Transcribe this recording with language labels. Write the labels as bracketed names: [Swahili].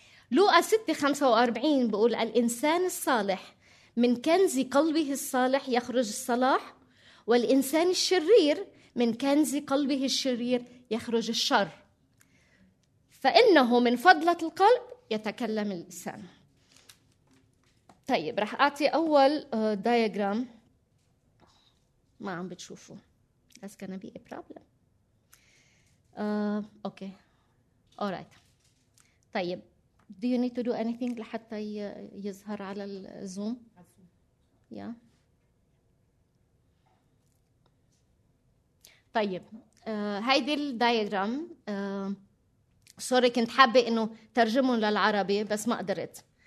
[Arabic] لوقا 6:45 بقول الإنسان الصالح من كنز قلبه الصالح يخرج الصلاح، والإنسان الشرير من كنز قلبه الشرير يخرج الشر، فإنه من فضلة القلب يتكلم اللسان. طيب رح أعطي أول دياجرام، ما عم بتشوفه. [English] That's gonna be a problem. Okay. Alright. طيب do you need to do anything [Arabic] لحتى يظهر على الزوم؟ [English] Yeah. [Arabic] طيب هيدي الدياجرام، سوري كنت حابة إنه ترجمهم للعربي بس ما قدرت.